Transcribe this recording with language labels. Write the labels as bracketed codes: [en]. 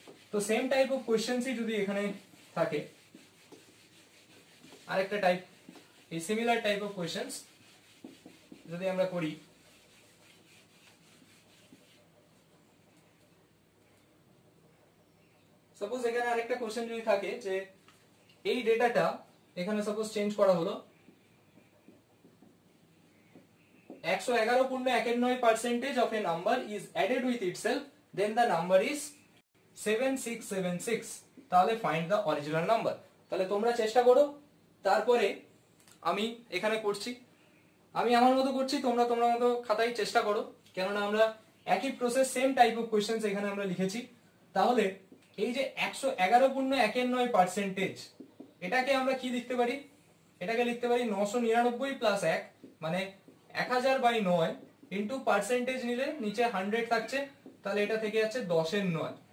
[bn] তো same type of কোয়েশ্চেনসই যদি এখানে থাকে, আরেকটা টাইপ, এই সিমিলার টাইপ অফ কোয়েশ্চেনস যদি আমরা করি, সাপোজ এখানে আরেকটা কোশ্চেন যদি থাকে যে এই ডেটাটা এখানে সাপোজ চেঞ্জ করা হলো, [en] 111.91% of a number is added with itself, then the number is 7676. [bn] তাহলে [en] find the original number. [bn] তাহলে তোমরা চেষ্টা করো, তারপরে আমি এখানে করছি, আমি আমার মতো করছি, তোমরা তোমার মতো খাতায় চেষ্টা করো, কেননা আমরা একই process same type of questions এখানে আমরা লিখেছি। তাহলে এই যে 111.91% এটাকে আমরা কি লিখতে পারি, এটাকে লিখতে পারি 999+1, মানে 1000/9% নিলে নিচে 100 থাকছে, তাহলে এটা থেকে যাচ্ছে 10^9।